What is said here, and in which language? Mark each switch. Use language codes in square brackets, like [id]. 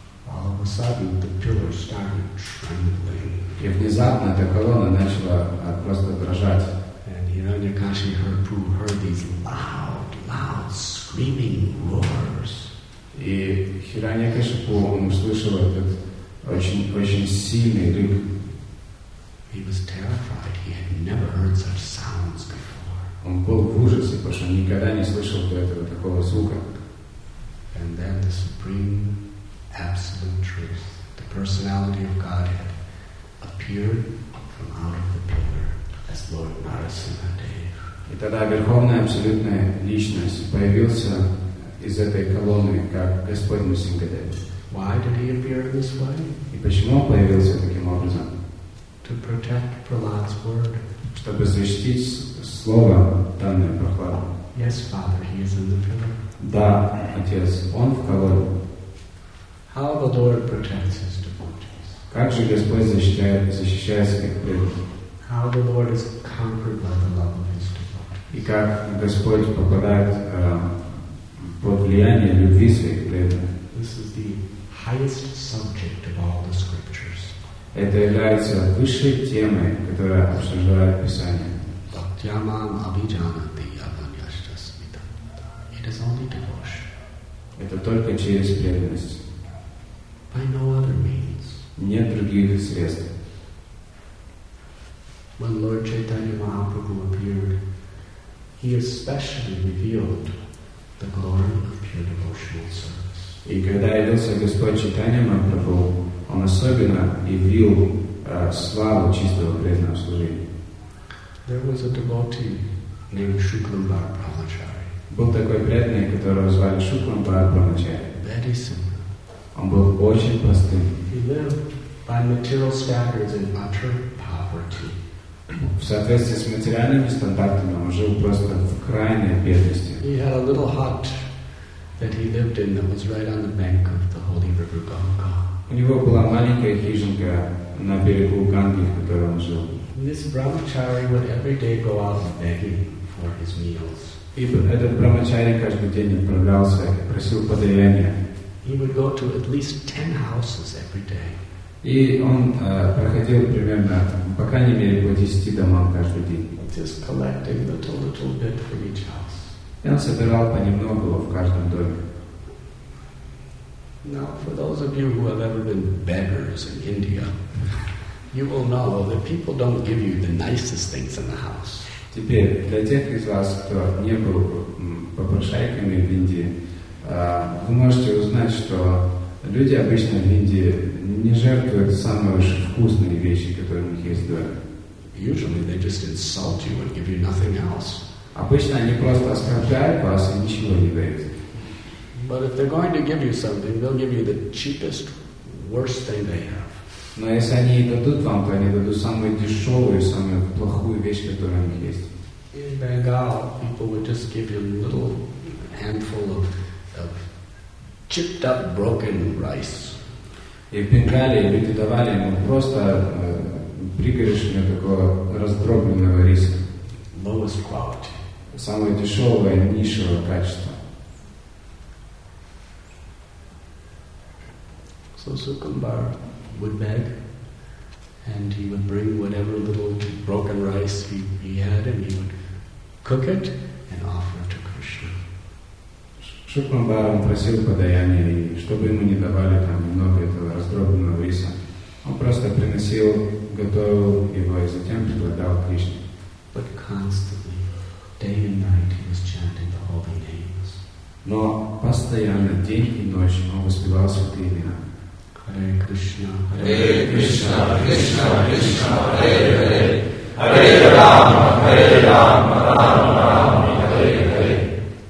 [en] All of a sudden, the pillar started trembling. [ru] И внезапно эта колонна начала просто дрожать. [en] And Hiranyakashi heard these loud, loud screaming roars. [ru] И Hiranyakashipu он услышал этот очень-очень сильный рык. [en] He was terrified. He had never heard such sounds before. [ru] Он был в ужасе, потому что никогда не слышал до этого такого звука. [en] And then the supreme absolute truth, the personality of Godhead, appeared from out of the pillar as Lord Narasimha Dev. [ru] И тогда Верховная Абсолютная Личность появился из этой колонны, как Господь Нарасимхадев. [en] Why did he appear this way? [ru] И почему он появился таким образом? [en] To protect Prahlad's word. [ru] Чтобы защитить слово, данное Прахладу. [en] Yes, father, he is in the pillar. [ru] Да, отец, он в колонне. [en] How the Lord protects his devotees. [ru] Как же Господь защищает своих преданных? [en] How the Lord is conquered by the love of his devotees. [ru] И как Господь попадает под влияние любви своих преданных. [en] This is the highest subject of all the scriptures. [ru] Это является высшей темой, которая обсуждает Писание. [sa] Bhaktyamam abhijanati yavanyashta smita. [en] It is only devotion. [ru] Это только через преданность. [en] By no other means. [ru] Нет других средств. [en] When Lord Chaitanya Mahaprabhu appeared, he especially revealed the glory of pure devotional service. [ru] И когда явился Господь Чайтанья Махапрабху, он особенно явил славу чистого преданного служения. [en] There was a devotee named Shuklambar Brahmachari. [ru] Был такой преданный, которого звали Shuklambar Brahmachari. [en] Very simple. [ru] Он был очень простым. [en] He lived by material standards in utter poverty. [ru] В соответствии с материальными стандартами он жил просто в крайней бедности. [en] He had a little hut that he lived in that was right on the bank of the holy river Ganga. [ru] У него была маленькая хижинка на берегу Ганги, в которой он жил. [en] This brahmachari would every day go out begging for his meals. [ru] И этот брахмачари каждый день отправлялся и просил подаяния. [en] He would go to at least 10 houses every day. [ru] И он проходил примерно, по крайней мере, по 10 домам каждый день. [en] Just collecting little bit for each house. [ru] И он собирал понемногу в каждом доме. [en] Now, for those of you who have ever been beggars in India, you will know that people don't give you the nicest things in the house. [ru] Теперь, для тех из вас, кто не был попрошайками в Индии, вы можете узнать, что люди обычно в Индии не жертвуют самые вкусные вещи, которые у них есть дома. [en] Usually they just insult you and give you nothing else. [ru] Обычно они просто оскорбляют вас и ничего не дают. [en] But if they're going to give you something, they'll give you the cheapest, worst thing they have. [ru] Но если они дадут вам, то они дадут самую дешевую, самую плохую вещь, которая у них есть. [en] In Bengal, people would just give you a little handful of chipped up, broken rice. [ru] И в Бенгале люди давали ему просто пригоршню такого раздробленного риса. [en] Lowest quality. [ru] Самого дешевого и низшего качества. [en] So Sukumbhar would beg, and he would bring whatever little broken rice he had, and he would cook it and offer it to Krishna. [ru] Шукамбар просил подаяния, и чтобы ему не давали там немного этого раздробленного риса, он просто приносил, готовил его и затем предлагал Кришне. [en] But constantly, day and night, he was chanting the holy names. [ru] Но постоянно, день и ночь, он воспевал святые имена. [sa] Hare Krishna, Hare Krishna, Krishna Krishna, Hare Hare, Hare Rama, Hare Rama, Rama Rama, Hare Hare.